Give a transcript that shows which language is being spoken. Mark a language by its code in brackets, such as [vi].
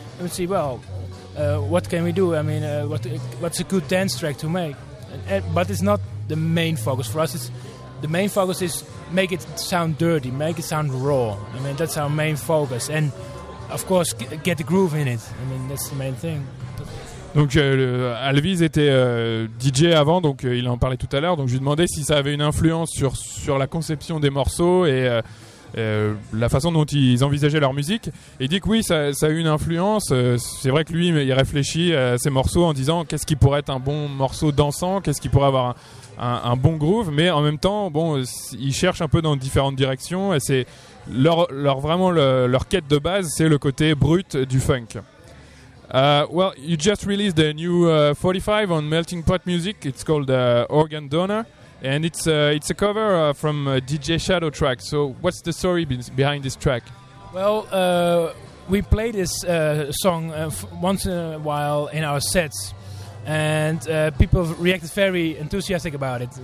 [en] And see, what can we do? I mean, what's a good dance track to make? But it's not the main focus for us. The main focus is make it sound dirty, make it sound raw. I mean, that's our main focus. And of course, get the groove in it. I mean, that's the main thing. [fr] Donc Alviz était DJ avant, donc il en parlait tout à l'heure. Donc je lui demandais si ça avait une influence sur la conception des morceaux et la façon dont ils envisageaient leur musique. Et il dit que oui, ça a eu une influence. C'est vrai que lui, il réfléchit à ses morceaux en disant qu'est-ce qui pourrait être un bon morceau dansant, qu'est-ce qui pourrait avoir un bon groove. Mais en même temps, bon, il cherche un peu dans différentes directions. Et c'est leur quête de base, c'est le côté brut du funk. [en] You just released a new 45 on Melting Pot Music. It's called Organ Donor, and it's a cover from a DJ Shadow track. So what's the story behind this track? Well, we play this song once in a while in our sets, and people reacted very enthusiastic about it.